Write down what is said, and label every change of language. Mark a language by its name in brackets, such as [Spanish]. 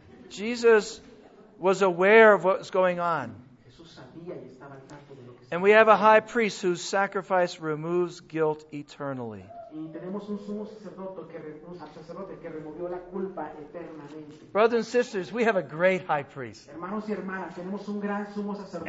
[English] Jesus was aware of what was going on. [Spanish] Jesús sabía y estaba al tanto de lo que estaba. [English] And we have a high priest whose sacrifice removes guilt eternally. [Spanish] Y tenemos un sumo sacerdote que removió la culpa eternamente. [English] Brothers and sisters, we have a great high priest. [Spanish] Hermanos y hermanas, tenemos un gran sumo sacerdote.